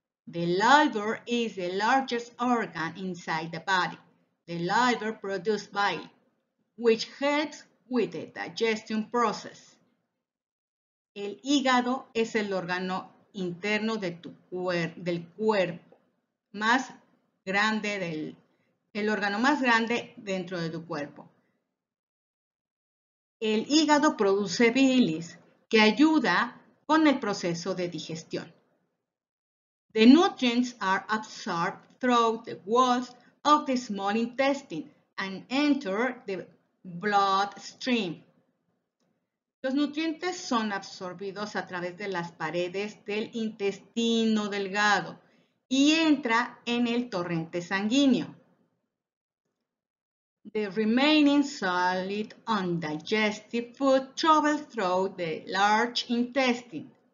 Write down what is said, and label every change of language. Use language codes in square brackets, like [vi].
[en] The liver is the largest organ inside the body. The liver produces bile, which helps with the digestion process. [es] El hígado es el órgano interno de tu cuer del cuerpo, más grande del el órgano más grande dentro de tu cuerpo. El hígado produce bilis, que ayuda con el proceso de digestión. [en] The nutrients are absorbed through the walls of the small intestine and enter the bloodstream. [es] Los nutrientes son absorbidos a través de las paredes del intestino delgado y entra en el torrente sanguíneo. [en] The remaining solid undigested food travels through the large intestine.